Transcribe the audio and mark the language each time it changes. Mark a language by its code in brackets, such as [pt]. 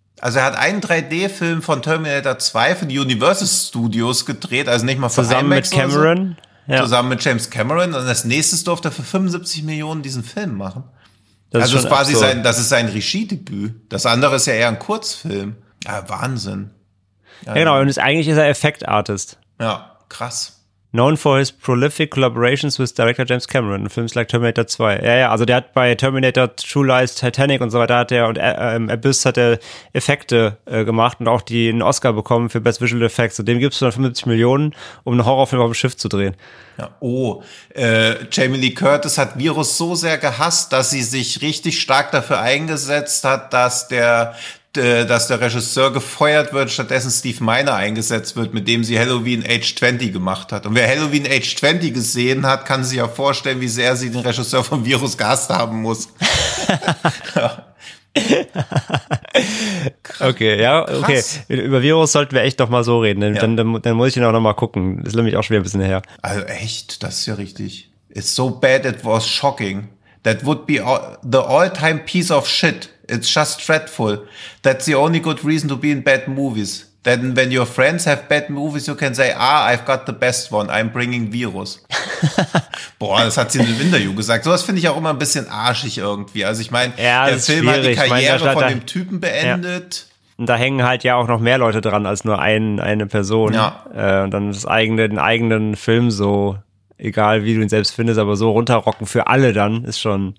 [de] Also er hat einen 3D-Film von Terminator 2 von Universal Studios gedreht, also nicht mal von zusammen IMAX mit Cameron. So, ja. Zusammen mit James Cameron und als nächstes durfte er für 75 Millionen diesen Film machen. Das ist sein Regiedebüt. Das andere ist ja eher ein Kurzfilm. Ja, Wahnsinn. Ja, genau, und eigentlich ist er Effektartist. Ja. Krass. [en] Known for his prolific collaborations with director James Cameron in films like Terminator 2. [de] Ja, also der hat bei Terminator, True Lies, Titanic und so weiter hat er und Abyss hat er Effekte gemacht und auch die einen Oscar bekommen für Best Visual Effects. Und dem gibst du dann 75 Millionen, um einen Horrorfilm auf dem Schiff zu drehen. Ja, Jamie Lee Curtis hat Virus so sehr gehasst, dass sie sich richtig stark dafür eingesetzt hat, dass der Regisseur gefeuert wird, stattdessen Steve Miner eingesetzt wird, mit dem sie Halloween Age 20 gemacht hat. Und wer Halloween Age 20 gesehen hat, kann sich ja vorstellen, wie sehr sie den Regisseur vom Virus gehasst haben muss. Okay. Über Virus sollten wir echt doch mal so reden. Dann muss ich ihn auch noch mal gucken. Das ist nämlich auch schwer ein bisschen her. Also echt, das ist ja richtig. [en] It's so bad, it was shocking. That would be the all-time piece of shit. It's just dreadful. That's the only good reason to be in bad movies. Then when your friends have bad movies, you can say, I've got the best one. I'm bringing Virus. [de] Boah, das hat sie in den Winterju gesagt. Sowas finde ich auch immer ein bisschen arschig irgendwie. Also ich meine, der Film hat die Karriere von dem Typen beendet. Ja. Und da hängen halt ja auch noch mehr Leute dran als nur eine Person. Ja. Und dann das eigene, den eigenen Film so, egal wie du ihn selbst findest, aber so runterrocken für alle dann, ist schon